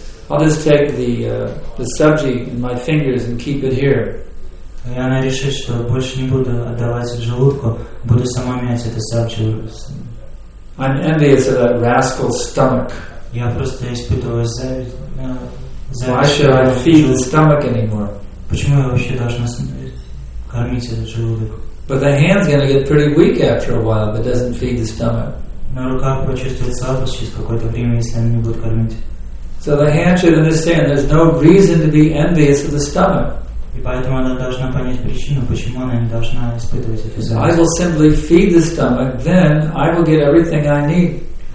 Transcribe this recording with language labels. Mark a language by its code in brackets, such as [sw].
[en] I'll just take the sabji in my fingers and keep it here. [ru] И она решит, что больше не буду отдавать желудку, буду сама мять это сабджи. [en] I'm envious of that rascal stomach. [ru] Я просто испытываю зависть. [en] Why should I feed the stomach anymore? [ru] Почему я вообще должна кормить этот желудок? [en] But the hand's going to get pretty weak after a while if it doesn't feed the stomach. So the hand should understand there's no reason to be envious of the stomach. I will simply feed the stomach, then I will get everything I need.